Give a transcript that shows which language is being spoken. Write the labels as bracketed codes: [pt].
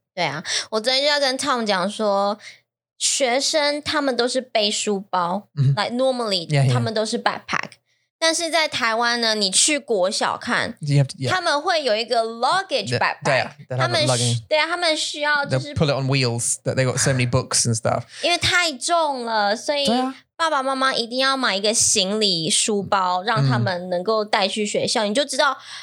[zh] 对啊，我昨天就要跟 Tom 讲说，学生他们都是背书包， [en] like normally [zh] 他们都是 backpack，但是在台湾呢，你去国小看， [en] yeah. [zh] 他们会有一个 [en] luggage backpack， [zh] 对啊，他们对啊，他们需要就是 [en] they'll pull it on wheels that they got so many books and stuff， [zh] 因为太重了，所以爸爸妈妈一定要买一个行李书包，让他们能够带去学校，你就知道。